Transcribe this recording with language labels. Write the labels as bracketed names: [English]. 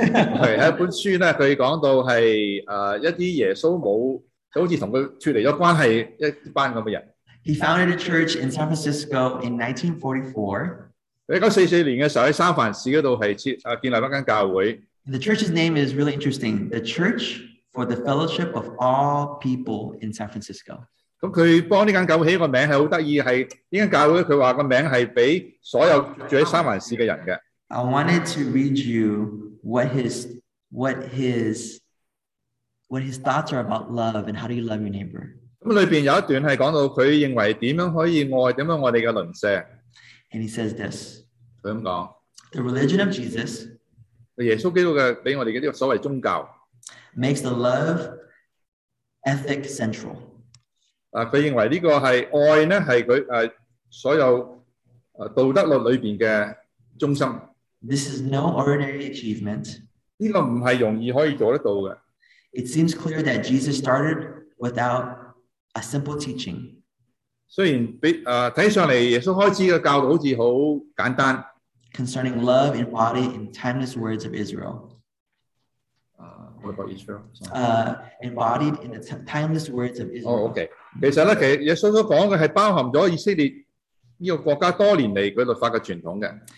[Chinese] Okay, 一本书呢，他讲到是一些耶稣没有，好像跟他脱离了关系一班那些人。 [English] He founded a church in San Francisco in 1944. [Chinese] 1944年的时候在三藩市那里建立一间教会。 [English] The church's name is really interesting. The Church for the Fellowship of All People in San Francisco. [Chinese] 他帮这间教会起一个名字很有趣，是这间教会他说的名字是给所有住在三藩市的人的。 [English] I wanted to read you what his thoughts are about love and how do you love your neighbor. [Chinese] 里面有一段是讲到他认为怎样可以爱，怎样我们的邻舍。 [English] And he says this. [Chinese] 他这么说, [English] the religion of Jesus, [Chinese] 耶稣基督的给我们的这个所谓宗教, [English] makes the love ethic central. [Chinese] 他认为这个是爱呢，是他所有道德律里面的中心。 [English] This is no ordinary achievement. [Chinese] 这个不是容易可以做得到的。 [English] It seems clear that Jesus started without a simple teaching. [Chinese] 虽然看上来耶稣开始的教导好像很简单。 [English] Concerning love in body in timeless words of Israel. What about Israel? Embodied in the timeless words of Israel. Oh, okay. [Chinese] 其实呢，耶稣所讲的是包含了以色列这个国家多年来的律法的传统的。